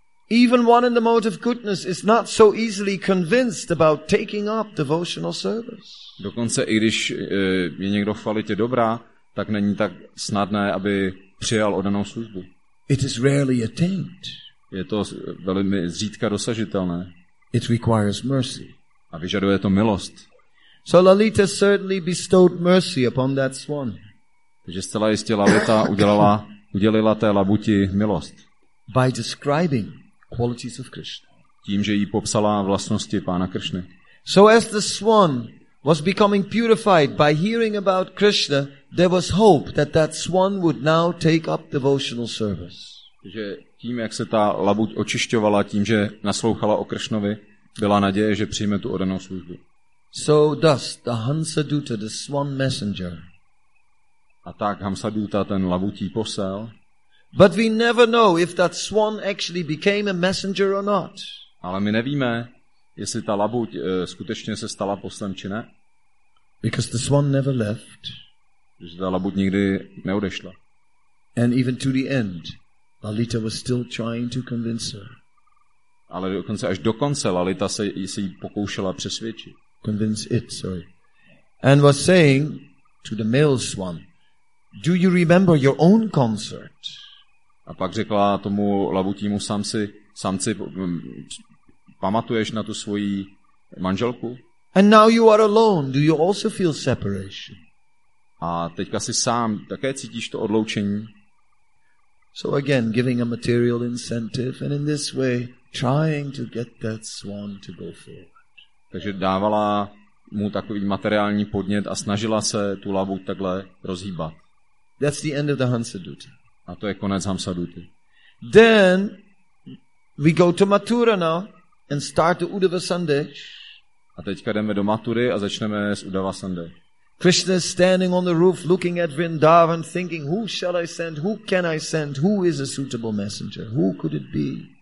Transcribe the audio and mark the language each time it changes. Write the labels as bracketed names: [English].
[English] Even one in the mode of goodness is not so easily convinced about taking up devotional service. [Czech] Dokonce i když je někdo v kvalitě dobrá, tak není tak snadné, aby přijal odanou službu. [English] It is rarely attained. [Czech] Je to velmi zřídka dosažitelné. [English] It requires mercy. [Czech] A vyžaduje to milost. [English] So Lalita certainly bestowed mercy upon that swan. [Czech] Takže zcela jistě Lalita udělila té labuti milost. [English] By describing qualities of Krishna. [Czech] Tím, že jí popsala vlastnosti pána Krishny. [English] So as the swan was becoming purified by hearing about Krishna, there was hope that that swan would now take up devotional service. [Czech] Takže tím, jak se ta labuť očišťovala, tím, že naslouchala o Krishnovi, byla naděje, že přijme tu odanou službu. [English] So thus the Hansaduta, the swan messenger. [Czech] A tak Hansaduta, ten labutí posel. [English] But we never know if that swan actually became a messenger or not. [Czech] Ale my nevíme, jestli ta labuť skutečně se stala poslem či ne. [English] Because the swan never left. [Czech] Protože ta labuť nikdy neodešla. [English] And even to the end, Lalita was still trying to convince her. [Czech] Ale dokonce až do konce Lalita se jí pokoušela přesvědčit. [English] Convince it, sorry. And was saying to the male swan, do you remember your own concert? [Czech] A pak řekla tomu labutímu samci, pamatuješ na tu svoji manželku? [English] And now you are alone. Do you also feel separation? [Czech] A teďka si sám také cítíš to odloučení. [English] So again, giving a material incentive and in this way trying to get that swan to go forward. [Czech] Takže dávala mu takový materiální podnět a snažila se tu lavu takhle rozhýbat. [English] That's the end of the Hansa Dutta. [Czech] A to je konec Hansa Dutty. [English] Then we go to Mathura now and start the Uddhava Sandesh. [Czech] A teďka jdeme do Mathury a začneme s Uddhava Sandesh. [English] Krishna is standing on the roof looking at Vrindavan thinking who shall I send, who can I send, who is a suitable messenger, who could it be?